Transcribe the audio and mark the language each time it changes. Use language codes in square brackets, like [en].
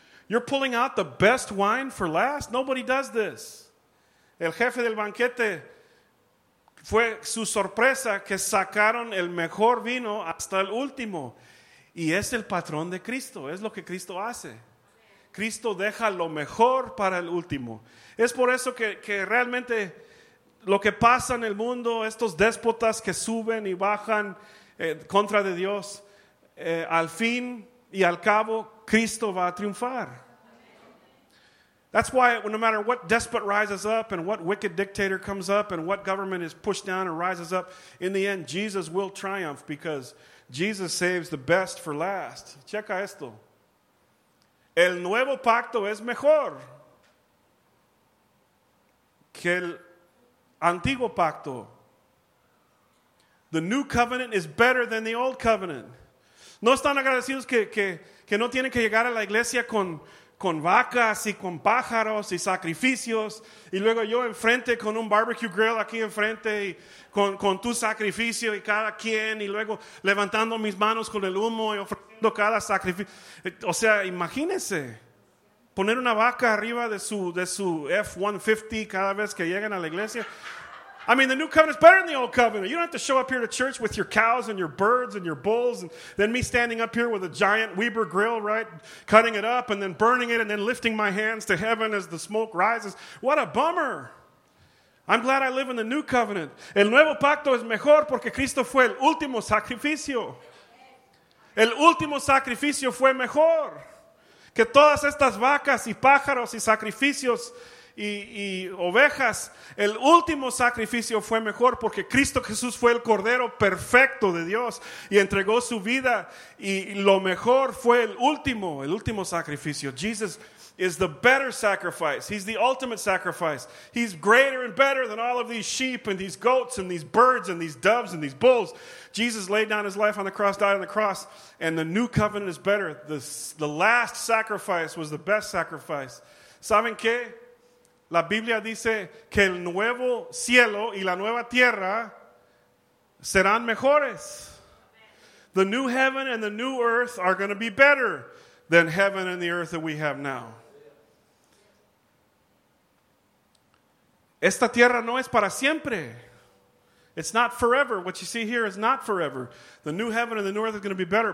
[en] You're pulling out the best wine for last? Nobody does this. [es] El jefe del banquete fue su sorpresa que sacaron el mejor vino hasta el último. Y es el patrón de Cristo, es lo que Cristo hace. Cristo deja lo mejor para el último. Es por eso que realmente lo que pasa en el mundo, estos déspotas que suben y bajan contra de Dios, al fin y al cabo, Cristo va a triunfar. [en] That's why no matter what despot rises up and what wicked dictator comes up and what government is pushed down or rises up, in the end, Jesus will triumph, because Jesus saves the best for last. [es] Checa esto. El nuevo pacto es mejor que el antiguo pacto. [en] The new covenant is better than the old covenant. [es] No están agradecidos que no tienen que llegar a la iglesia con vacas y con pájaros y sacrificios. Y luego yo enfrente con un barbecue grill aquí enfrente y con tu sacrificio y cada quien. Y luego levantando mis manos con el humo y ofreciendo cada sacrificio. O sea, imagínense poner una vaca arriba de su F-150 cada vez que llegan a la iglesia. [en] I mean, the new covenant is better than the old covenant. You don't have to show up here to church with your cows and your birds and your bulls, and then me standing up here with a giant Weber grill, right? Cutting it up and then burning it and then lifting my hands to heaven as the smoke rises. What a bummer. I'm glad I live in the new covenant. [es] El nuevo pacto es mejor porque Cristo fue el último sacrificio. El último sacrificio fue mejor que todas estas vacas y pájaros y sacrificios. Y ovejas, el último sacrificio fue mejor porque Cristo Jesús fue el Cordero perfecto de Dios y entregó su vida, y lo mejor fue el último sacrificio. [en] Jesus is the better sacrifice. He's the ultimate sacrifice. He's greater and better than all of these sheep and these goats and these birds and these doves and these bulls. Jesus laid down his life on the cross, died on the cross, and the new covenant is better. The last sacrifice was the best sacrifice. [es] ¿Saben qué? La Biblia dice que el nuevo cielo y la nueva tierra serán mejores. [en] The new heaven and the new earth are going to be better than heaven and the earth that we have now. [es] Esta tierra no es para siempre. [en] It's not forever. What you see here is not forever. The new heaven and the new earth is going to be better.